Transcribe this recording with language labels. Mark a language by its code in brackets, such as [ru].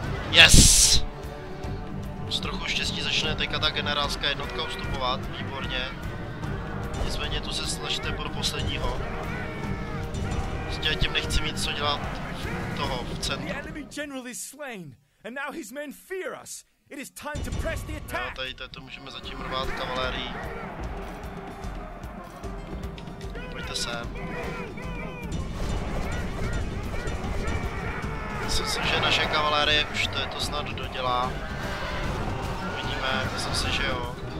[cs] Yes! S trochu štěstí začne teďka ta generálská jednotka vstupovat, výborně. Nicméně tu se snažíte pro posledního. Prostě tím nechci mít co dělat toho v centru. [en] The enemy general is slain, and now his men fear us. It is time to press the attack. [cs] Jo, tady to můžeme zatím rvát kavalérii. Myslím si, že naše kavalérie už to snad dodělá. Uvidíme, myslím si, že jo.